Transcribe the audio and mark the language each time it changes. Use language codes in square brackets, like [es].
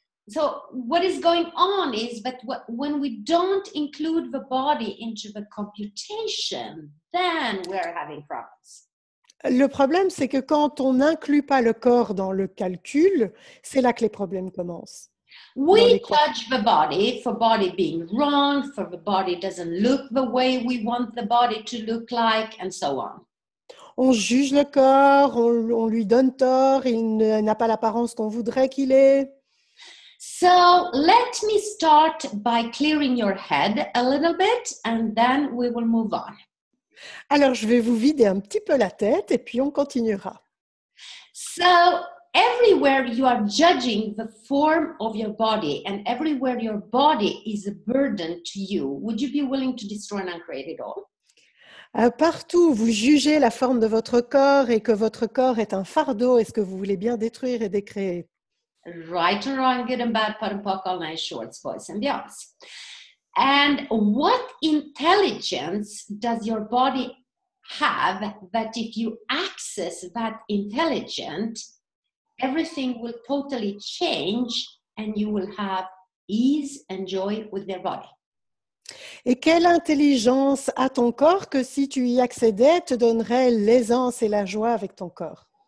[en] So what is going on is that when we don't include the body into the computation, then we're having problems. [fr] Le problème, c'est que quand on n'inclut pas le corps dans le calcul, c'est là que les problèmes commencent. [en] We judge the body for body being wrong, for the body doesn't look the way we want the body to look like, and so on. [fr] On juge le corps, on lui donne tort, il n'a pas l'apparence qu'on voudrait qu'il ait. [en] So, let me start by clearing your head a little bit, and then we will move on. [fr] Alors, je vais vous vider un petit peu la tête et puis on continuera. [en] So, everywhere you are judging the form of your body and everywhere your body is a burden to you, would you be willing to destroy and uncreate it all? [fr] Partout où vous jugez la forme de votre corps et que votre corps est un fardeau, est-ce que vous voulez bien détruire et décréer? [en] Right or wrong, good and bad, pot and pock, all nice shorts, boys and girls. And what intelligence does your body have that if you access that intelligence, everything will totally change and you will have ease and joy with your body? [fr] Et quelle intelligence a ton corps que si tu y accédais, te donnerait l'aisance et la joie avec ton corps?